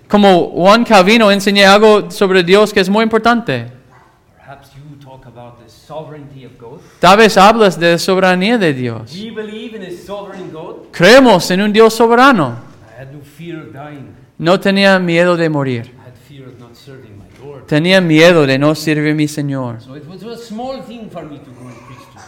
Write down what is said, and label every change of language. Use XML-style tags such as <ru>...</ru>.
<es>Como Juan Calvino, enseñé algo sobre Dios que es muy importante.</es> <en>Perhaps you talk about the sovereignty of God.</en> <es>Tal vez hablas de la soberanía de Dios.</es> <en>We believe in a sovereign God.</en> <es>Creemos en un Dios soberano.</es> <en>I had no fear of dying.</en> <es>No tenía miedo de morir.</es> <en>I had fear of not serving my Lord.</en> <es>Tenía miedo de no servir a mi Señor.</es> <en>So it was a small thing for me to go and preach to.</en>